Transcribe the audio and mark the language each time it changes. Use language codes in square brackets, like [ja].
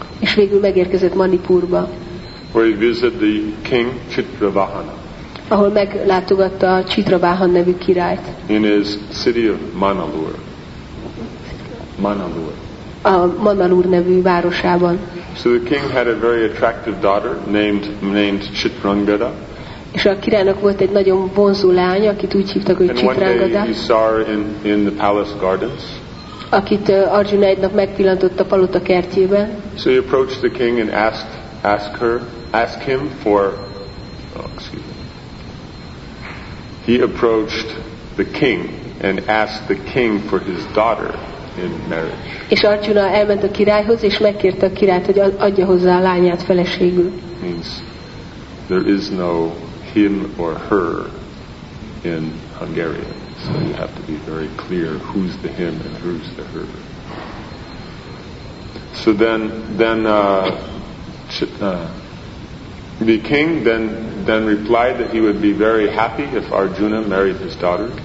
[hu] És végül megérkezett Manipurba. [en] Where he visited the king Chitravahana. [hu] Ahol meglátogatta a Chitravahana nevű királyt. [en] In his city of Manalur. Manalur. [hu] A Manalur nevű városában. [en] So the king had a very attractive daughter named Chitrangada. [hu] És a királynak volt egy nagyon vonzó lány, akit úgy hívtak, hogy Chitrangada. [en] And one day he saw her in the palace gardens. [hu] Akit Arjuna egy nap megpillantott a palota kertjében. [en] So he approached the king and asked him for his daughter in marriage. [hu] És Arjuna elment a királyhoz és megkérte a királyt, hogy adja hozzá a lányát feleségül. [en] Means there is no him or her in Hungarian. So you have to be very clear who's the him and who's the her. So the king then replied that he would be very happy if Arjuna married his daughter.